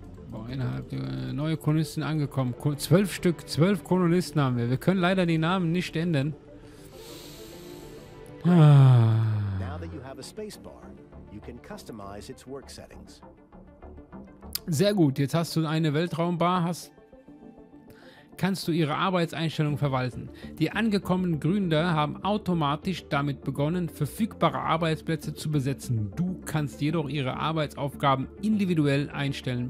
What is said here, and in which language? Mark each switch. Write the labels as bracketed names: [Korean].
[German] Boah, innerhalb der neue Kolonisten angekommen. 12 Stück, 12 Kolonisten haben wir. Wir können leider die Namen nicht ändern. [English] Now that you have a space bar, you can customize its work settings. [German] Sehr gut, jetzt hast du eine Weltraumbar, kannst du ihre Arbeitseinstellung verwalten. Die angekommenen Gründer haben automatisch damit begonnen, verfügbare Arbeitsplätze zu besetzen. Du kannst jedoch ihre Arbeitsaufgaben individuell einstellen.